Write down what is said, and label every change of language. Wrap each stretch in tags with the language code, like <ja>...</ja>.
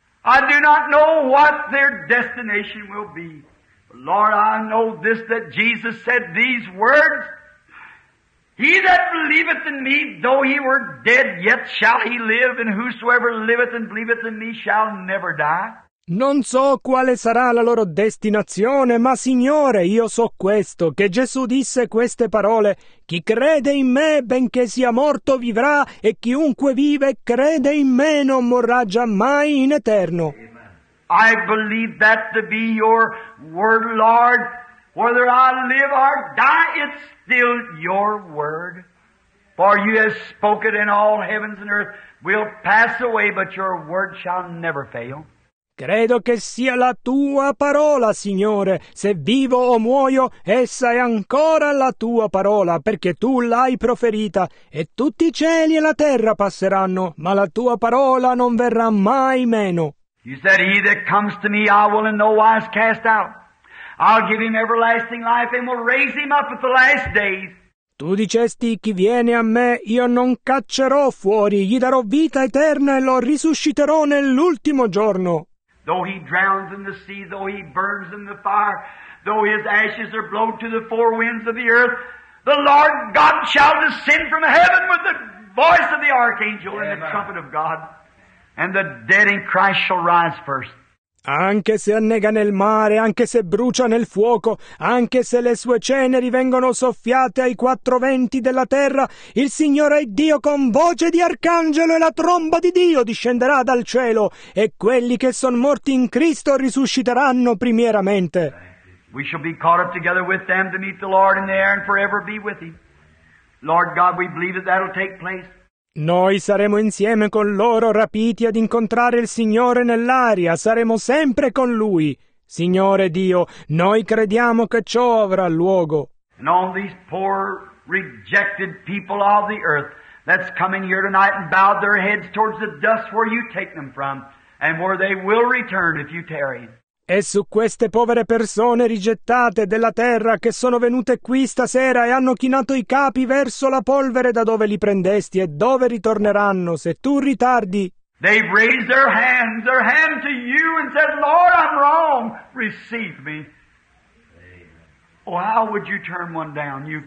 <en>I do not know what their destination will be. Lord, I know this, that Jesus said these words. He that believeth in me, though he were dead, yet shall he live, and whosoever liveth and believeth in me shall never die.</en> <it>Non so quale sarà la loro destinazione, ma Signore, io so questo, che Gesù disse queste parole: chi crede in me, benché sia morto, vivrà, e chiunque vive e crede in me non morrà giammai in eterno.</it> <en>I believe that to be your word, Lord. Whether I live or die, it's still your word. For you have spoken, and all heavens and earth will pass away, but your word shall never fail.</en> <it>Credo che sia la tua parola, Signore. Se vivo o muoio, essa è ancora la tua parola, perché tu l'hai proferita, e tutti i cieli e la terra passeranno, ma la tua parola non verrà mai meno.</it> <en>You said, he that comes to me, I will in no wise cast out. I'll give him everlasting life and will raise him up at the last days.</en> <it>Tu dicesti, chi viene a me, io non caccerò fuori, gli darò vita eterna e lo risusciterò nell'ultimo giorno.</it> <en>Though he drowns in the sea, though he burns in the fire, though his ashes are blown to the four winds of the earth, the Lord God shall descend from heaven with the voice of the archangel and the trumpet of God, and the dead in Christ shall rise first.</en> <it>Anche se annega nel mare, anche se brucia nel fuoco, anche se le sue ceneri vengono soffiate ai quattro venti della terra, il Signore è Dio con voce di arcangelo e la tromba di Dio discenderà dal cielo, e quelli che sono morti in Cristo risusciteranno primieramente.</it> <en>We shall be caught up together with them to meet the Lord in the air and forever be with him. Lord God, we believe that that'll take place.</en> <it>Noi saremo insieme con loro rapiti ad incontrare il Signore nell'aria, saremo sempre con Lui. Signore Dio, noi crediamo che ciò avrà luogo.</it> <en>And all these poor rejected people of the earth that's coming here tonight and bowed their heads towards the dust where you take them from and where they will return if you tarry.</en> <it>E su queste povere persone rigettate della terra che sono venute qui stasera e hanno chinato i capi verso la polvere da dove li prendesti e dove ritorneranno se tu ritardi.</it> <en>They've raised their hand to you and said, Lord, I'm wrong, receive me. Oh, how would you turn one down?</en>